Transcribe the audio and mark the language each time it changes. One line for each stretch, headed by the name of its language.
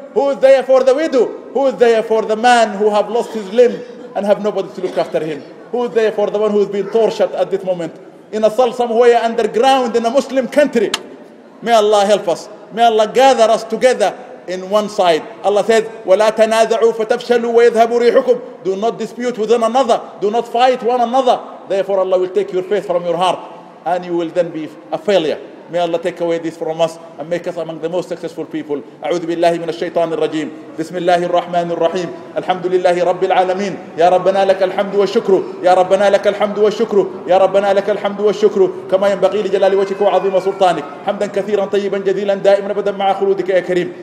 English: Who is there for the widow? Who is there for the man who have lost his limb and have nobody to look after him? Who is there for the one who has been tortured at this moment in a cell somewhere underground in a Muslim country? May Allah help us. May Allah gather us together in one side. Allah said,
Arabic: وَلَا تَنَازَعُوا فَتَفْشَلُوا وَيَذْهَبُوا رِيحُكُمْ.
English: Do not dispute within another. Do not fight one another. Therefore Allah will take your faith from your heart and you will then be a failure. May Allah take away this from us and make us among the most successful people.
Arabic: أعوذ بالله من الشيطان الرجيم. بسم الله الرحمن الرحيم. الحمد لله رب العالمين. يا ربنا لك الحمد والشكر. يا ربنا لك الحمد والشكر. يا ربنا لك الحمد والشكر. كما ينبغي لجلال وجهك وعظيم سلطانك. حمدا كثيرا طيبا جزيلا دائما ابدا مع خلودك يا كريم.